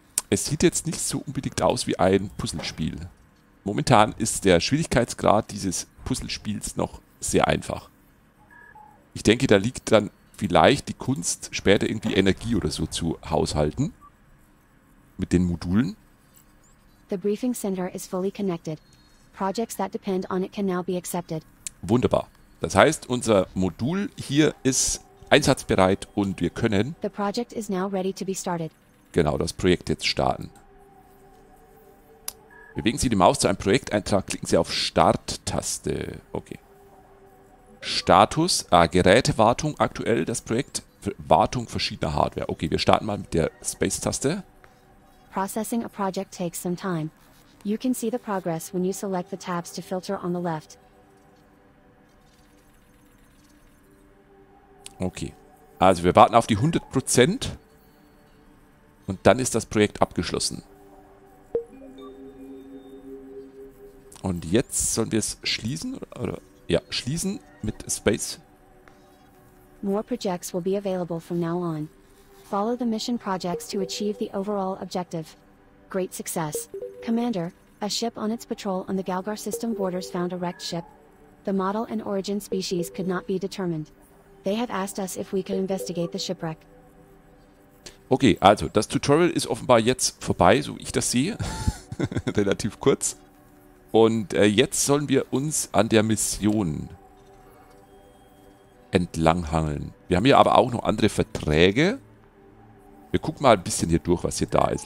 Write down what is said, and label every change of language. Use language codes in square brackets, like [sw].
[de] Es sieht jetzt nicht so unbedingt aus wie ein Puzzlespiel. Momentan ist der Schwierigkeitsgrad dieses Puzzlespiels noch sehr einfach. Ich denke, da liegt dann vielleicht die Kunst, später irgendwie Energie oder so zu haushalten. mit den Modulen? [en] The briefing center is fully connected. Projects that depend on it can now be accepted. [de] Wunderbar. Das heißt, unser Modul hier ist einsatzbereit und wir können [en] The project is now ready to be started. [de] Genau, das Projekt jetzt starten. Bewegen Sie die Maus zu einem Projekteintrag, klicken Sie auf Start-Taste. Okay. Status, Gerätewartung aktuell, das Projekt, Wartung verschiedener Hardware. Okay, wir starten mal mit der Space-Taste. [en] Processing a project takes some time. You can see the progress when you select the tabs to filter on the left. [de] Okay, also wir warten auf die 100% und dann ist das Projekt abgeschlossen. Und jetzt sollen wir es schließen, oder? Ja, schließen mit Space. [en] More projects will be available from now on. Follow the mission projects to achieve the overall objective. Great success. Commander, a ship on its patrol on the Galgar system borders found a wrecked ship. The model and origin species could not be determined. They have asked us if we could investigate the shipwreck. [de] Okay, also, das Tutorial ist offenbar jetzt vorbei, so wie ich das sehe. Relativ kurz. Und jetzt sollen wir uns an der Mission entlanghangeln. Wir haben hier aber auch noch andere Verträge. Wir gucken mal ein bisschen hier durch, was hier da ist.